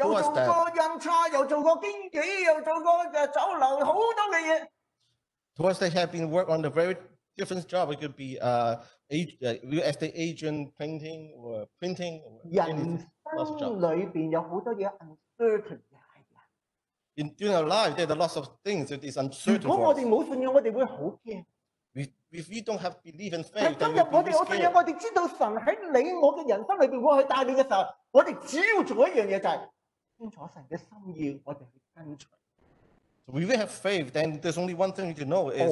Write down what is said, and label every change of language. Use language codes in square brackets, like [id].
[yue] 又做過印刷，又做過經紀，又做過酒樓，好多嘅嘢。 [en] To us, they have been work on a very different job. It could be real estate agent, printing. [yue] 人生裏邊有好多嘢 uncertain 嘅係人。 [en] In during our life, there are lots of things that is uncertain. [yue] 如果我哋冇信仰，我哋會好驚。 [en] If we don't have belief and faith, then we'll be scared. [yue] 我信仰，我哋知道神喺你我嘅人生里边会去带领嘅时候，我哋只要做一样嘢就系清楚神嘅心意，我哋去跟随。 [en] So if we have faith, then there's only one thing you need to know is